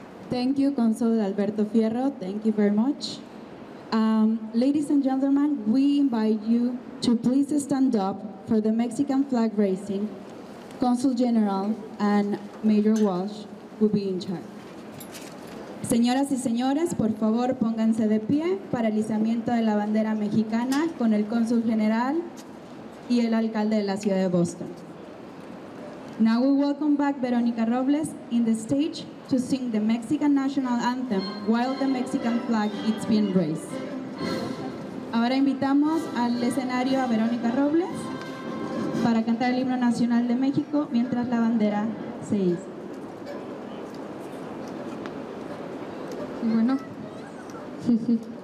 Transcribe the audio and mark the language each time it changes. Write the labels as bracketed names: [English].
[English] Thank you, Consul Alberto Fierro. Thank you very much. Ladies and gentlemen, we invite you to please stand up for the Mexican flag raising. Consul General and Major Walsh will be in charge. [Spanish] Señoras y señores, por favor, pónganse de pie para el izamiento de la bandera mexicana con el Cónsul General y el alcalde de la ciudad de Boston. [English] Now we welcome back Veronica Robles in the stage to sing the Mexican National Anthem while the Mexican flag is being raised. [Spanish] Ahora invitamos al escenario a Veronica Robles para cantar el himno nacional de México mientras la bandera se iza. Y bueno, sí.